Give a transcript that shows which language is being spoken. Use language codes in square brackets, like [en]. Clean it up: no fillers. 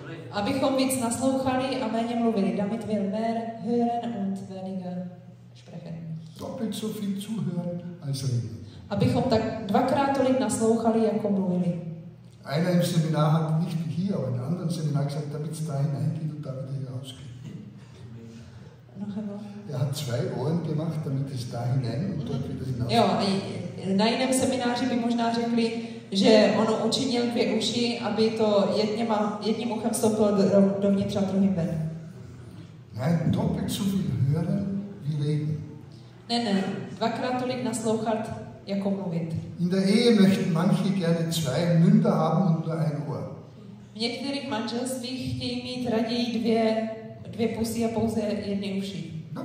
[cs] Abychom víc naslouchali a méně mluvili. [de] Damit wir mehr hören und weniger sprechen. Doppelt so viel zuhören als reden. [cs] Abychom tak dvakrát tolik naslouchali, jako mluvili. [de] Einer im Seminar hat nicht wie hier, aber in anderen Seminar gesagt, damit es da hineingeht und da wieder rausgeht. Noch einmal. Er hat zwei Ohren gemacht, damit es da hinein und dort wieder hinaus. [cs] Jo, na jiném semináři by možná řekli, že ono učinil dvě uši, aby to jedním uchem vstoupilo dovnitř a druhým ven. [de] Ne, doppelt so viel hören wie reden. [cs] Ne, dvakrát tolik naslouchat, jako mluvit. [de] In der Ehe möchten manche gerne zwei Münder haben und nur ein Ohr. [cs] V některých manželstvích chtějí mít raději dvě pusy a pouze jedny uši.